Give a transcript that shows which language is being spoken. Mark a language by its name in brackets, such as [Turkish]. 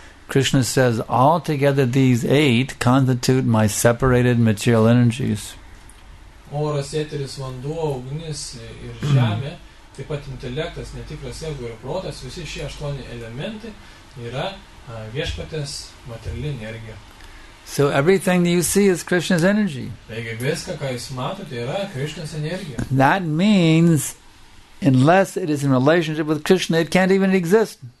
[English] Krishna says, altogether these eight constitute my separated material energies. [Lithuanian] Oras, eteris, vanduo, ugnis ir žemė, taip pat intelektas, netikras ego ir protas, visi šie aštuoni elementai yra viešpatės materialinė energija. [English] So everything that you see is Krishna's energy. That means, unless it is in relationship with Krishna, it can't even exist.